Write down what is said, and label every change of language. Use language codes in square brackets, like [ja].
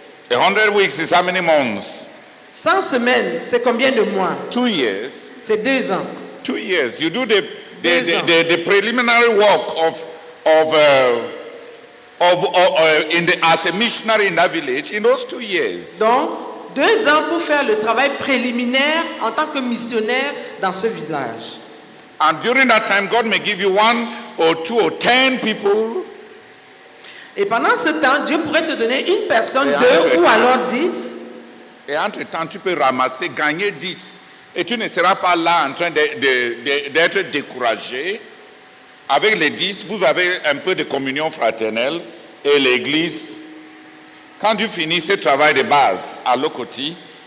[en] 100 weeks is how many months? [fr] 100 semaines, c'est combien de mois? [en] 2 years. [fr] C'est 2 ans. [en] 2 years. You do the preliminary work as a missionary in that village in those 2 years. [fr] Donc, 2 ans pour faire le travail préliminaire en tant que missionnaire dans ce village. [en] And during that time, God may give you 1 or 2 or 10 people. [fr] Et pendant ce temps, Dieu pourrait te donner une personne, et deux ou alors 10. Et entre-temps, tu peux ramasser, gagner 10. Et tu ne seras pas là en train d'être découragé. Avec les 10, vous avez un peu de communion fraternelle et l'église. Quand tu finis ce travail de base à Lokoti,